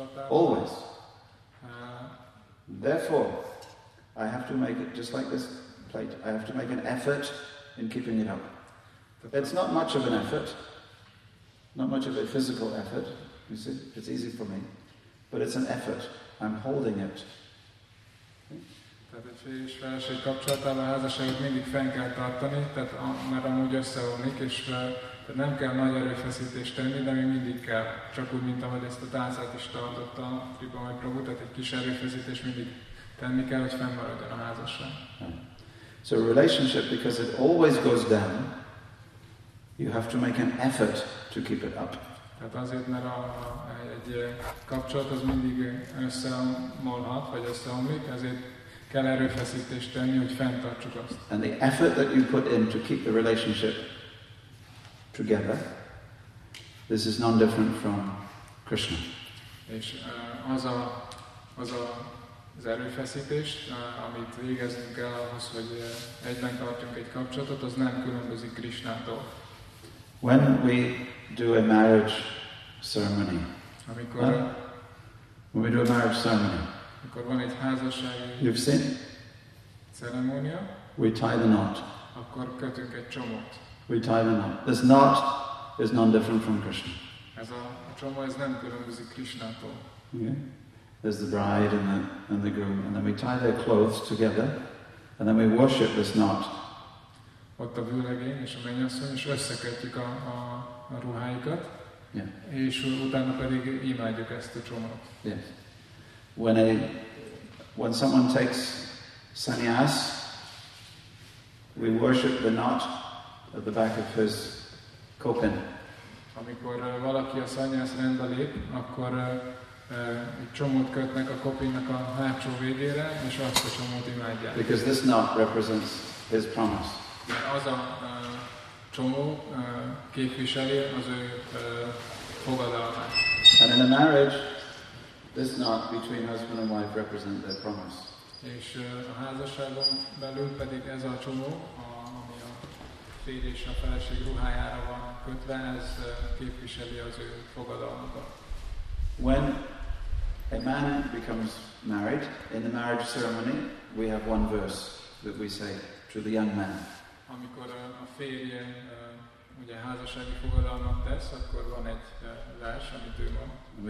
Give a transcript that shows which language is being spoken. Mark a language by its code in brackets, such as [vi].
[en] Always. Therefore, I have to make it, just like this plate, I have to make an effort in keeping it up. It's not much of an effort, not much of a physical effort, you see, it's easy for me, but it's an effort, I'm holding it. [hu] Tehát egy férj-feleség kapcsolatában a házasságot mindig fenn kell tartani, tehát mert amúgy összeomlik, és tehát nem kell nagy erőfeszítést tenni, de még mindig kell. Csak úgy, mint ahogy ezt a tálcát is tartotta a Kripa Mai Prabhu, tehát egy kis erőfeszítést mindig tenni kell, hogy fennmaradjon a házasság. [en] So a relationship, because it always goes down, you have to make an effort to keep it up. [hu] Tehát azért, mert egy kapcsolat az mindig összeomolhat, vagy összeomlik, ezért kell erőfeszítést tenni, hogy fenntartsuk azt. [en] And the effort that you put in to keep the relationship together, this is non different from Krishna. [hu] És az erőfeszítés, amit végeznünk kell ahhoz, hogy egyben tartjunk egy kapcsolatot, az nem különbözik Krishnától. [en] When we do a marriage ceremony, when we do a marriage ceremony, [hu] akkor van egy házassági, [en] you've seen, [hu] ceremónia, [en] we tie the knot. [hu] Akkor kötünk egy csomót. [en] We tie the knot. This knot is non different from Krishna. [hu] Ez a csomó ez nem különbözik Krishnától. [en] Okay. There's the bride and the groom, and then we tie their clothes together, and then we worship this knot. [hu] Ott a vőlegény és a mennyasszony, és összekötjük a ruháikat, [en] yeah. [hu] És utána pedig imádjuk ezt a csomót. [en] Yes. When someone takes sannyas, we worship the knot at the back of his kopin. [hu] Amikor valaki a sannyas rendbe lép, akkor egy csomót kötnek a kopinnak a hátsó végére, és azt a csomót imádják. [en] Because this knot represents his promise. [hu] De az a csomó képviseli az ő fogadalmát. [en] And in a marriage, this knot between husband and wife represents their promise. [hu] És a házasságon belül pedig ez a csomó, ami a férj és a feleség ruhájára van kötve, ez képviseli az ő fogadalmukat. [en] When a man becomes married, in the marriage ceremony, we have one verse that we say to the young man. [hu] Amikor a férj ugye házassági fogadalmat tesz, akkor van egy vers, amit ő mond.